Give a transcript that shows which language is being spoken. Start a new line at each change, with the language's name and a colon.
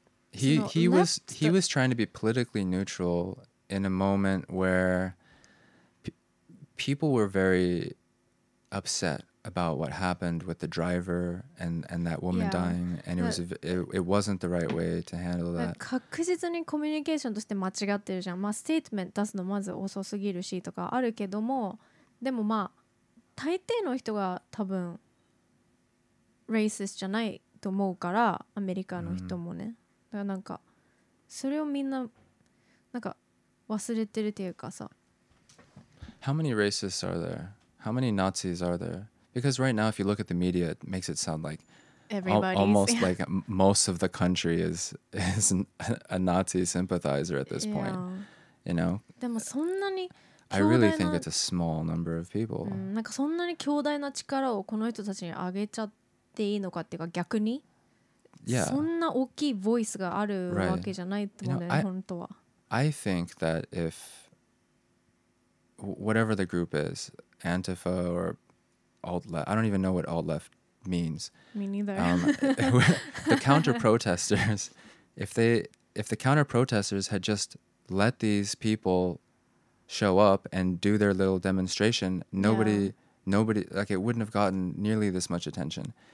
English: He was trying to be politically neutral in a moment where people were very upset about what happened with the driver and that woman yeah. dying, and it wasn't the right way to handle that.
Japanese: 確実にコミュニケーションとして間違ってるじゃん。まあ、ステートメント出すのまず遅すぎるしとかあるけども、でもまあ、大抵の人が多分、racist じゃないと思うから、アメリカの人もね。 Mm-hmm. なんかそれをみんななんか忘れてるっていうかさ。
English: How many racists are there? How many Nazis are there? Because right now, if you look at the media, it makes it sound like almost like most of the country is a Nazi sympathizer at this yeah. point. You know.
Japanese: でもそんなに
English: I really think it's a small number of people.
Japanese: なんかそんなに強大な力をこの人たちにあげちゃっていいのかっていうか逆に。
English: Yeah.
Japanese: そんな大きいボイスがあるわけじゃないってことだよ、本当は。
English: I think that if whatever the group is, Antifa or alt-left, I don't even know what alt-left means. Me neither. the counter-protesters, if the counter-protesters had just let these people show up and do their little demonstration, nobody, like it wouldn't have gotten nearly this much attention.